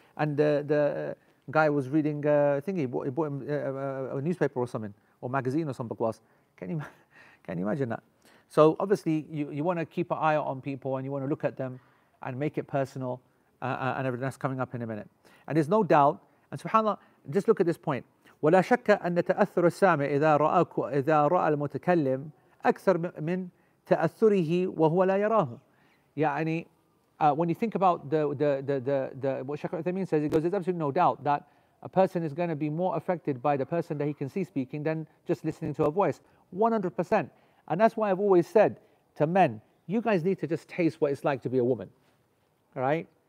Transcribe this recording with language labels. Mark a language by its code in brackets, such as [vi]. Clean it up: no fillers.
[en] And the guy was reading, he bought him a newspaper or something, or magazine or something. Can you imagine that? So obviously, you want to keep an eye on people, and you want to look at them, and make it personal, and everything that's coming up in a minute. And there's no doubt, and subhanAllah, just look at this point. [ar] ولا شك أن تأثر السامع إذا رأى المتكلم أكثر من تأثره وهو لا يراه. [en] يعني when you think about the what Sheikh Uthaymeen says, he goes, there's absolutely no doubt that a person is going to be more affected by the person that he can see speaking than just listening to a voice. 100%. And that's why I've always said to men, you guys need to just taste what it's like to be a woman. Right?